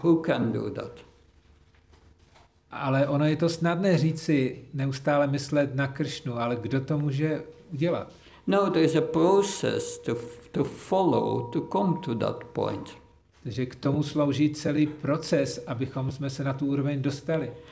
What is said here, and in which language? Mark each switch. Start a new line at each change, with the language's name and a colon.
English: Who can do that?
Czech: Ale ono je to snadné říci, neustále myslet na Kršnu, ale kdo to může udělat?
English: No, there is a process to follow, to come to that point.
Czech: Takže k tomu slouží celý proces, abychom jsme se na tu úroveň dostali.